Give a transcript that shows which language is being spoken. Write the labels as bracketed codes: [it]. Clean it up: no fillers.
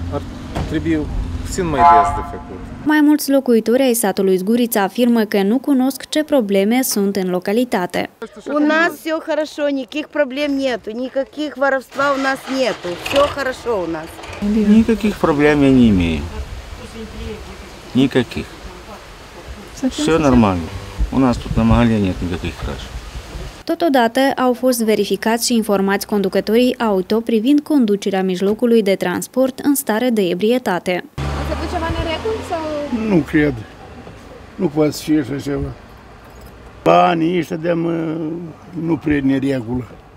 [ro] Ar trebui puțin mai des de făcut. Mai mulți locuitori ai satului Zgurița afirmă că nu cunosc ce probleme sunt în localitate. [ru] У нас все хорошо, никаких проблем нету, никаких воровства у нас нету. Все хорошо у нас. Никаких проблем я не имею. Никаких. Все нормально. У нас тут на магазине нет никаких краж. [ro] Totodată au fost verificați și informați conducătorii auto privind conducerea mijlocului de transport în stare de ebrietate. A făcut ceva neregul sau? Nu cred. Nu poate fi așa ceva. Banii ăștia de mă nu prea neregulă.